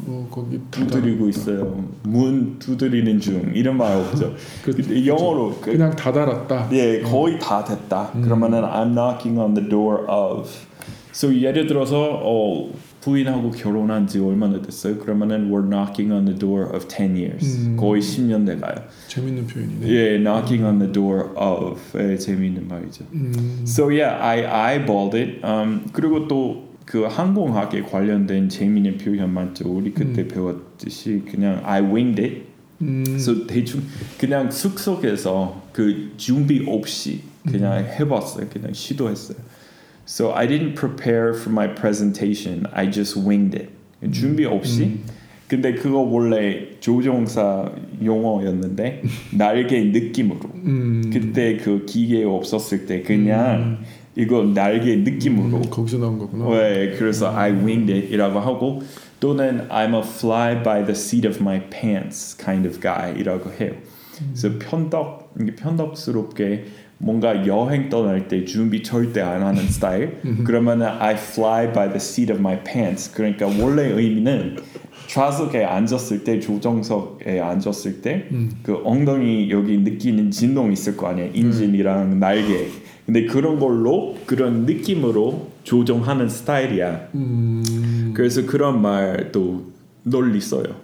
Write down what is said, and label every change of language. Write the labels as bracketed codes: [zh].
[ko] 거기 두드리고 있어요. 문 두드리는 중. 이런 말 없죠. 그렇죠. 영어로 그냥 다 달았다. 예, 거의 다 됐다. 그러면은 [en] I'm knocking on the door of. [ko] So 예를 들어서 부인하고 결혼한 지 얼마나 됐어요? 그러면은 [en] we're knocking on the door of 10 years. [ko] 거의 10년 돼가요. 재밌는 표현이네. 예, [en] yeah, knocking on the door of. [ko] 예, 재밌는 말이죠. [en] So yeah, I eyeballed it. [ko] 그리고 또 그 항공학에 관련된 재밌는 표현 많죠. 우리 그때 배웠듯이 그냥 [en] I winged it. [ko] So 대충 그냥 숙소에서 그 준비 없이 그냥 해봤어요. 그냥 시도했어요. [en] So I didn't prepare for my presentation. I just winged it. [ko] 준비 없이. 근데 그거 원래 조종사 용어였는데 날개 느낌으로. 그때 그 기계 없었을 때 그냥 이거 날개 느낌으로. 거기서 나온 거구나. 왜? 네, 그래서 [en] I winged it [ko] 이라고 하고 또는 [en] I'm a fly by the seat of my pants kind of guy [ko] 이라고 해요. 그래서 편덕스럽게. 뭔가 여행 떠날 때 준비 절대 안 하는 스타일. 그러면은 [en] I fly by the seat of my pants. [ko] 그러니까 원래 의미는 좌석에 앉았을 때 조종석에 앉았을 때 그 엉덩이 여기 느끼는 진동 있을 거 아니에요. 인진이랑 날개. 근데 그런 걸로 그런 느낌으로 조종하는 스타일이야. 그래서 그런 말도 널리 써요.